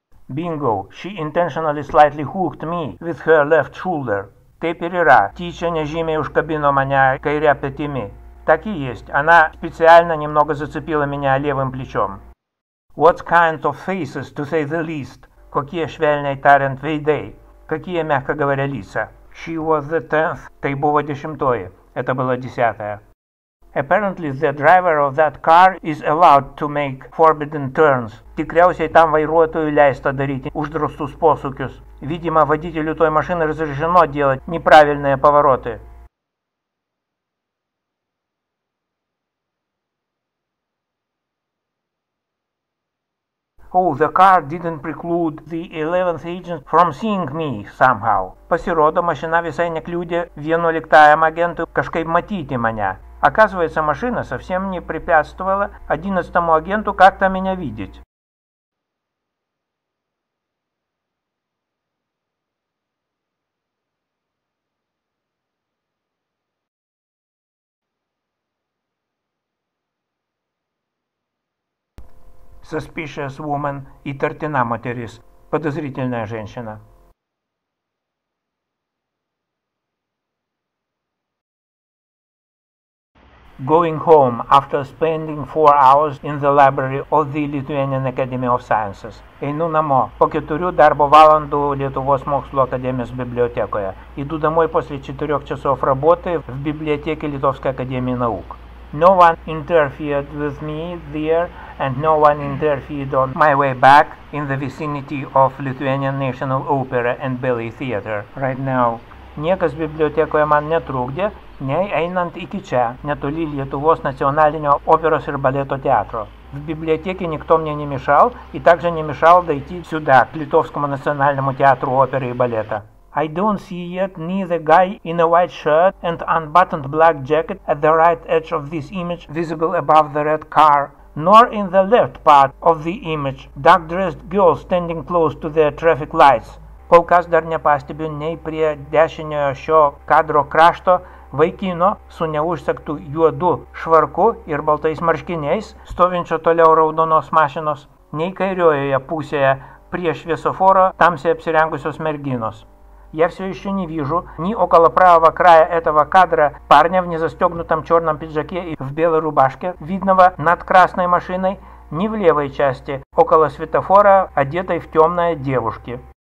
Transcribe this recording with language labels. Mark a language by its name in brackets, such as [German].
[English] Bingo, she intentionally slightly hooked me with her left shoulder. [Lithuanian] Taip ir yra, tyčia nežymiai užkabino mane kairia petimi. [Russian] Так и есть, она специально немного зацепила меня левым плечом. [English] What kind of faces, to say the least? [Lithuanian] Kokie švelniai tariant veidai? [Russian] Kokie, мягко говоря, лица? [English] She was the 10th. [Lithuanian] Tai buvo dešimtoji. [Russian] Это было десятое. [English] Apparently the driver of that car is allowed to make forbidden turns. [Lithuanian] Tikriausiai tam vairuotojui leista daryti uždraustus posūkius. [Russian] Видимо, водителю той машины разрешено делать неправильные повороты. [English] Oh, the car didn't preclude the 11th agent from seeing me somehow. [Lithuanian] Pasirodo, mašina visai nekliūdė 11-ajam agentui kažkaip matyti mane. [Russian] Оказывается, машина совсем не препятствовала 11-му агенту как-то меня видеть. [English] Suspicious woman, [Lithuanian] įtartina moteris, [Russian] подозрительная женщина. [English] Going home after spending 4 hours in the library of the Lithuanian Academy of Sciences. [Lithuanian] Einu namo po 4 darbo valandų Lietuvos mokslo akademijos bibliotekoje. [Russian] Įdu damoj после 4 часов работы в библиотеке Литовской академии наук. [English] No one interfered with me there, and no one interfered on my way back in the vicinity of Lithuanian National Opera and Ballet Theatre right now. [Lithuanian] Niekas bibliotekoje man netrukdė, nei einant iki čia, netoli Lietuvos nacionalinio operos ir baleto teatro. [Russian] В библиотеке никто мне не мешал, и также не мешал дойти сюда, к Литовскому национальному театру оперы и балета. [English] I don't see yet neither guy in a white shirt and unbuttoned black jacket at the right edge of this image visible above the red car, nor in the left part of the image dark-dressed girl standing close to the traffic lights. [Lithuanian] Kol kas dar nepastebiu nei prie dešiniojo šio kadro krašto vaikino su neužsegtu juodu švarku ir baltais marškiniais stovinčio toliau raudonos mašinos, nei kairiojoje pusėje prie šviesoforo tamsiai apsirengusios merginos. [Russian] Я все еще не вижу ни около правого края этого кадра парня в незастегнутом черном пиджаке и в белой рубашке, видного над красной машиной, ни в левой части, около светофора, одетой в темное девушки.